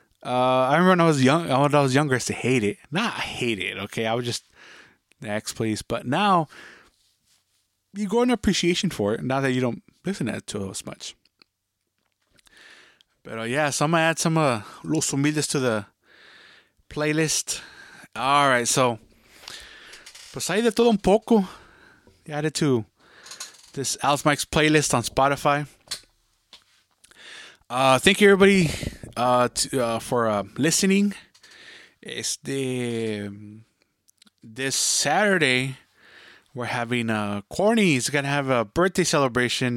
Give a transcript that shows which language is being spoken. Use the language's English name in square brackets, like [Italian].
[English] I remember when I was young, when I was younger, I used to hate it. Not hate it, okay? I was just the X, please. But now, you grow an appreciation for it, now that you don't listen to it too as much. But yeah, so I'm going to add some Los Humildes to the playlist. All right, so, [Spanish] pues ahí de todo un poco. [English] Added to this Alex Mike's playlist on Spotify. Thank you, everybody, for listening. This Saturday, we're having Corny's going to have a birthday celebration.